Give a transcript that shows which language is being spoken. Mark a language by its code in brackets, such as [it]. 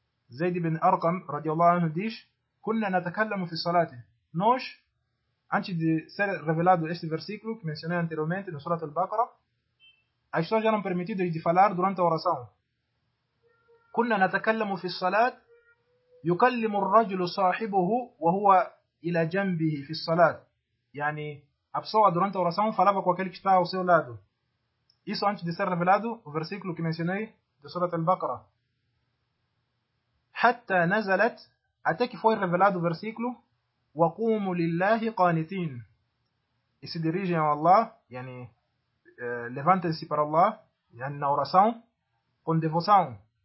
[ar] زيد بن أرقم رضي الله عنه ديش كنا نتكلم في الصلاة. [pt] نوش antes de ser revelado este versículo que mencionei anteriormente no Surat al-Baqarah, as pessoas eram permitidas de falar durante a oração. [ar] كنا نتكلم في الصلاة يكلم الرجل صاحبه وهو إلى جنبه في الصلاة. [pt] يعني a pessoa durante a oração falava com aquele que está ao seu lado. Isso antes de ser revelado o versículo que mencionei de Surat al-Baqarah. [ar] Hatta nazalat, [pt] até que foi revelado o versículo [ar] وَقُومُ لِلَّهِ قَانِتِينَ, [pt] e se dirigem a Allah yani, levantem-se para Allah yani, na oração com devoção.